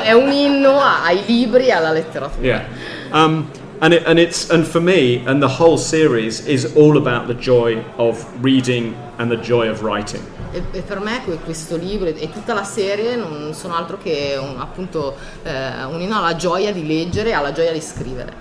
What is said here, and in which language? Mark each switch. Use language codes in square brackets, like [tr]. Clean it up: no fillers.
[it] È un inno ai libri e alla letteratura. [en] Yeah. And for me, and the whole series is all about the joy of reading and the joy of writing. [it] E per me questo libro e tutta la serie non sono altro che un inno alla gioia di leggere e alla gioia di scrivere.